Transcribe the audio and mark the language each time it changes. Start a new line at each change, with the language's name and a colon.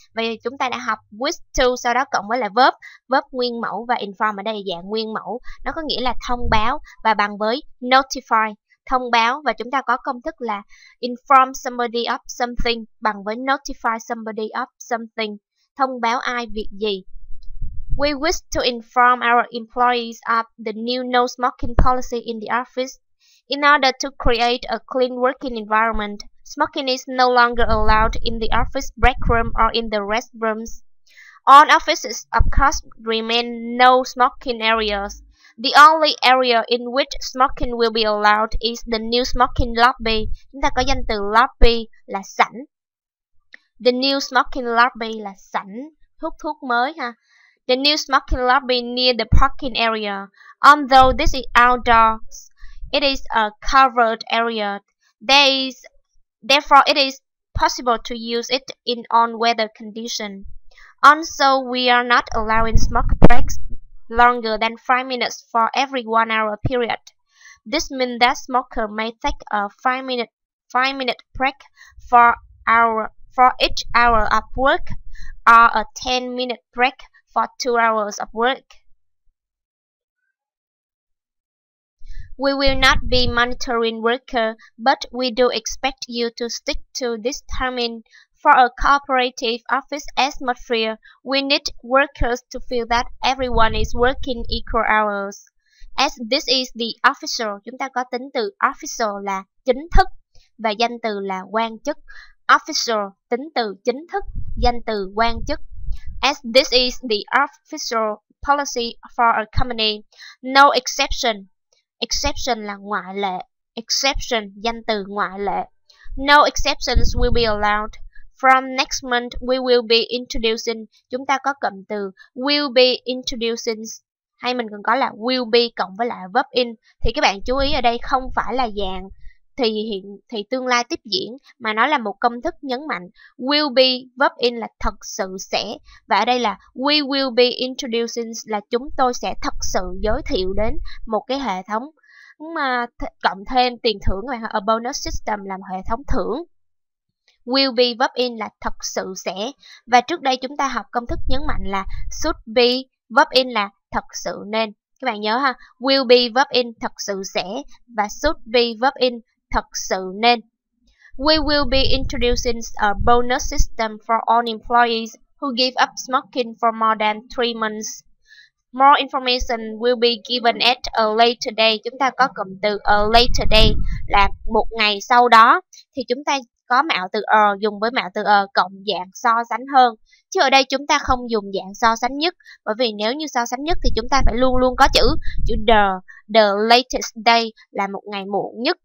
Vietnamese: Vậy chúng ta đã học wish to, sau đó cộng với lại verb, verb nguyên mẫu và inform ở đây là dạng nguyên mẫu. Nó có nghĩa là thông báo và bằng với notify, thông báo. Và chúng ta có công thức là inform somebody of something bằng với notify somebody of something, thông báo ai việc gì.
English: We wish to inform our employees of the new no smoking policy in the office. In order to create a clean working environment, smoking is no longer allowed in the office break room or in the restrooms. All offices, of course, remain no smoking areas. The only area in which smoking will be allowed is the new smoking lobby.
Vietnamese: Chúng ta có danh từ lobby là sảnh.
English: The new smoking lobby
Vietnamese: là sảnh hút thuốc mới ha.
English: The new smoking lobby near the parking area. Although this is outdoors, it is a covered area. Therefore, it is possible to use it in on weather condition. Also, we are not allowing smoke breaks longer than 5 minutes for every 1 hour period. This means that smoker may take a 5 minute break for each hour of work or a 10 minute break for 2 hours of work. We will not be monitoring worker, but we do expect you to stick to this timing. For a cooperative office atmosphere, we need workers to feel that everyone is working equal hours. As this is the official,
Vietnamese: chúng ta có tính từ official là chính thức và danh từ là quan chức. Official, tính từ chính thức, danh từ quan chức.
English: As this is the official policy for a company, no exception.
Vietnamese: Exception là ngoại lệ.
English: Exception,
Vietnamese: danh từ ngoại lệ.
English: No exceptions will be allowed. From next month, we will be introducing.
Vietnamese: Chúng ta có cụm từ
English: will be introducing.
Vietnamese: Hay mình còn có là will be cộng với lại verb in. Thì các bạn chú ý ở đây không phải là dạng thì tương lai tiếp diễn, mà nó là một công thức nhấn mạnh will be, verb in là thật sự sẽ, và ở đây là we will be introducing là chúng tôi sẽ thật sự giới thiệu đến một cái hệ thống, mà cộng thêm tiền thưởng các bạn,
English: a bonus system
Vietnamese: là hệ thống thưởng. Will be, verb in là thật sự sẽ, và trước đây chúng ta học công thức nhấn mạnh là should be, verb in là thật sự nên. Các bạn nhớ ha, will be verb in thật sự sẽ và should be verb in thật sự nên.
English: We will be introducing a bonus system for all employees who give up smoking for more than 3 months. More information will be given at a later day.
Vietnamese: Chúng ta có cụm từ a later day là một ngày sau đó, thì chúng ta có mạo từ a dùng với mạo từ a cộng dạng so sánh hơn. Chứ ở đây chúng ta không dùng dạng so sánh nhất, bởi vì nếu như so sánh nhất thì chúng ta phải luôn luôn có chữ chữ the latest day là một ngày muộn nhất.